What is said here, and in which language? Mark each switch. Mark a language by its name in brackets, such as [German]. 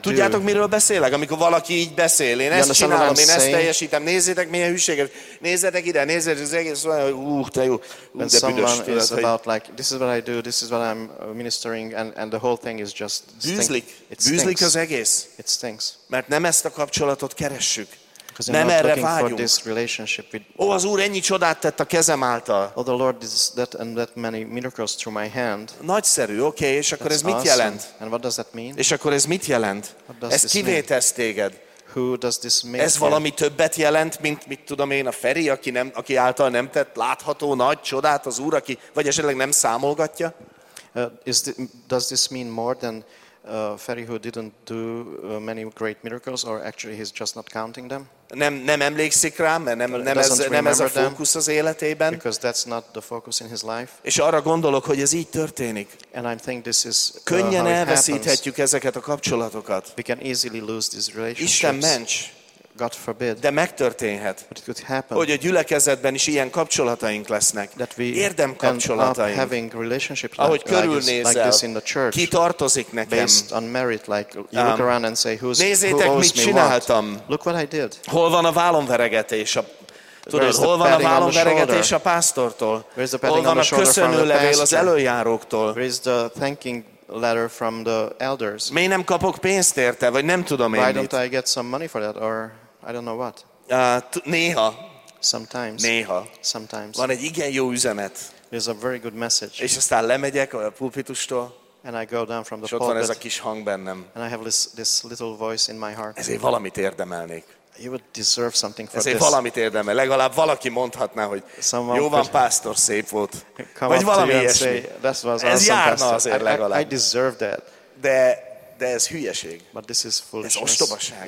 [Hungarian] Tudjátok, miről beszélek, amikor valaki így beszél. Én ezt csinálom, én ezt teljesítem. Nézzétek, milyen hűséges. Nézzetek ide, nézzétek az egész, hogy te jó. [English] When someone is about like, this is what I do, this is what I'm ministering, and the whole thing is just stink. [Hungarian] Bűzlik. Bűzlik az egész. [English] It stinks. [Hungarian] Mert nem ezt a kapcsolatot keressük. Nem erre vágyunk. [English] This relationship with, [Hungarian] ó, az Úr ennyi csodát tett a kezem által. [English] Oh, the Lord did that and that many miracles through my hand. [Hungarian] Nagyszerű, oké, okay, és akkor ez mit jelent? [English] And what does that mean? [Hungarian] És akkor ez mit jelent? Ez kivé tesz téged? [English] Who does this mean? [Hungarian] Ez valami többet jelent, mint mit tudom én, a Feri, aki által nem tett látható nagy csodát az Úr, aki, vagy esetleg nem számolgatja? [English] Does this mean more than Feri, who didn't do many great miracles, or actually he's just not counting them? [Hungarian] Nem emlékszik rá, mert nem ez a fókusz az életében. [English] Because that's not the focus in his life. [Hungarian] És arra gondolok, hogy ez így történik. [English] And I think this is [Hungarian] könnyen elveszíthetjük ezeket a kapcsolatokat. [English] We can easily lose these relationships. [Hungarian] Isten ments. [English] God forbid. [Hungarian] De megtörténhet. [English] But it could happen. [Hungarian] Hogy a gyülekezetben is ilyen kapcsolataink lesznek. [English] That we [Hungarian] érdem kapcsolataink. [English] Having relationships [Hungarian] ahogy körülnézel, [English] like this in the church. [Hungarian] Ki tartozik nekem? [English] Based on merit, like you look around and say who's, [Hungarian] nézzétek, mit csináltam. [English] Look what I did. [Hungarian] Hol van a vállonveregetés? Tudod, hol van a vállonveregetés a pásztortól? Hol van a köszönőlevél az előjáróktól? [English] Letter from the elders. [Hungarian] Miért nem kapok pénzt érte, vagy nem tudom én. [English] Why don't I get some money for that, or I don't know what. [Hungarian] Néha. [English] Sometimes. [Hungarian] Néha. [English] Sometimes. [Hungarian] Van egy igen jó üzenet. [English] There's a very good message. [Hungarian] És aztán lemegyek a pulpitustól. [English] And I go down from the [Hungarian] pulpit. És ott van ez a kis hang bennem. [English] And I have this little voice in my heart. [Hungarian] Ezért valamit érdemelnék. [English] You would deserve something for [Hungarian] ezért Ezért valamit érdemel. Legalább valaki mondhatná, hogy [English] someone [Hungarian] jó van, pásztor, szép volt. Vagy valami ilyesmi. Ez awesome, járna [English] pastor. [Hungarian] Azért legalább. [English] I deserve that. [Hungarian] De ez hülyeség. [English] But this is foolishness. [Hungarian] Ez ostobaság.